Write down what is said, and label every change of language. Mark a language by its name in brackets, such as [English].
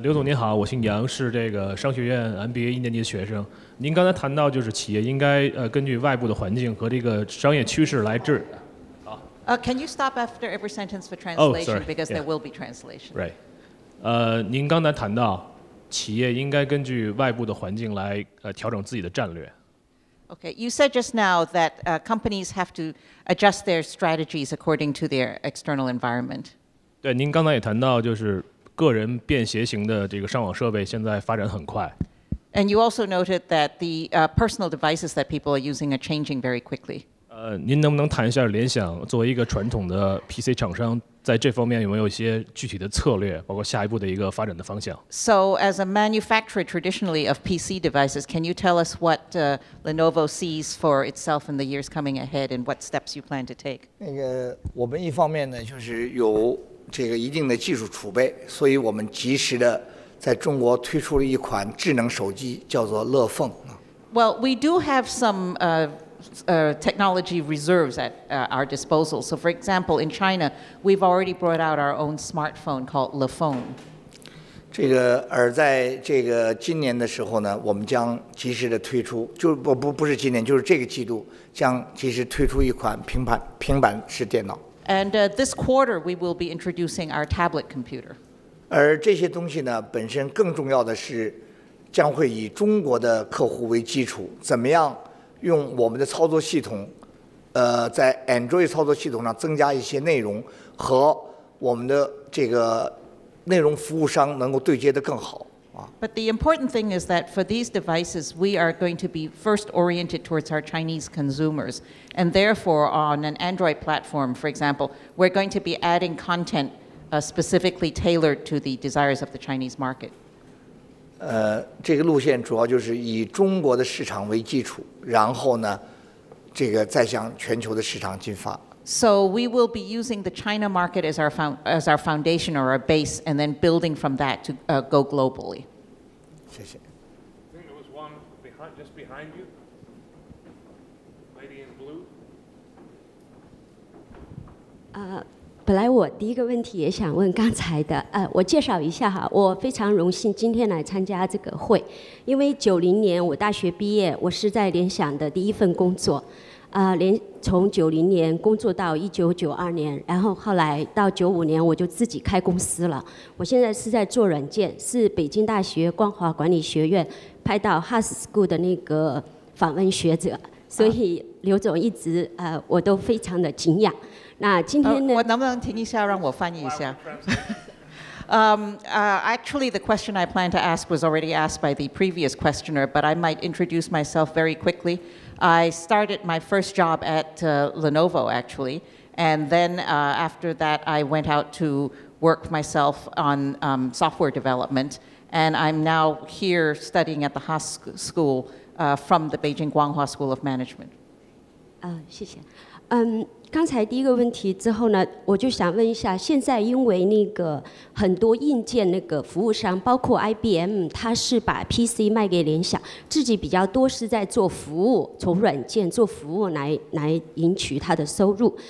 [Chinese] 刘总您好，我姓杨，是这个商学院 MBA 一年级的学生。您刚才谈到就是企业应该根据外部的环境和这个商业趋势来制。 [English] Can you stop after every sentence for translation? Oh, sorry. Because yeah. There will be translation. Right. [Chinese] 您刚才谈到企业应该根据外部的环境来调整自己的战略。 [English] Okay, you said just now that companies have to adjust their strategies according to their external environment. [Chinese] 对，您刚才也谈到，就是个人便携型的这个上网设备现在发展很快。 [English] And you also noted that the personal devices that people are using are changing very quickly. [Chinese] 您能不能谈一下联想作为一个传统的 PC 厂商？在这方面有没有一些具体的策略，包括下一步的一个发展的方向 [English] ？So as a manufacturer traditionally of PC devices, can you tell us what Lenovo sees for itself in the years coming ahead, and what steps you plan to take? [Chinese] 那个我们一方面呢，就是有这个一定的技术储备，所以我们及时的在中国推出了一款智能手机，叫做乐凤。 [English] Well, we do have some. Technology reserves at our disposal. So, for example, in China, we've already brought out our own smartphone called Le Phone. [Chinese] 这个而在这个今年的时候呢，我们将及时的推出，就不是今年，就是这个季度将及时推出一款平板式电脑。 [English] And this quarter, we will be introducing our tablet computer. [Chinese] 而这些东西呢，本身更重要的是，将会以中国的客户为基础，怎么样？用我们的操作系统，在 Android 操作系统上增加一些内容，和我们的这个内容服务商能够对接的更好啊。 [English] But the important thing is that for these devices, we are going to be first oriented towards our Chinese consumers, and therefore on an Android platform, for example, we're going to be adding content specifically tailored to the desires of the Chinese market. [Chinese] 这个路线主要就是以中国的市场为基础，然后呢，这个再向全球的市场进发。 [English] So we will be using the China market as our foundation or our base, and then building from that to go globally. [Chinese] 谢谢。 [English] I think there was one behind, just behind you, lady in blue. [Chinese] 本来我第一个问题也想问刚才的，我介绍一下哈，我非常荣幸今天来参加这个会，因为90年我大学毕业，我是在联想的第一份工作，从90年工作到1992年，然后后来到95年我就自己开公司了，我现在是在做软件，是北京大学光华管理学院派到 Hus School 的那个访问学者，所以刘总一直我都非常的敬仰。那今天呢？我能不能停一下，让我翻译一下 [English] actually, the question I plan to ask was already asked by the previous questioner, but I might introduce myself very quickly. I started my first job at Lenovo, actually, and then after that, I went out to work myself on software development, and I'm now here studying at the Haas School from the Beijing Guanghua School of Management. [Chinese] 谢谢。刚才第一个问题之后呢，我就想问一下，现在因为那个很多硬件那个服务商，包括 IBM， 它是把 PC 卖给联想，自己比较多是在做服务，从软件做服务来赢取它的收入。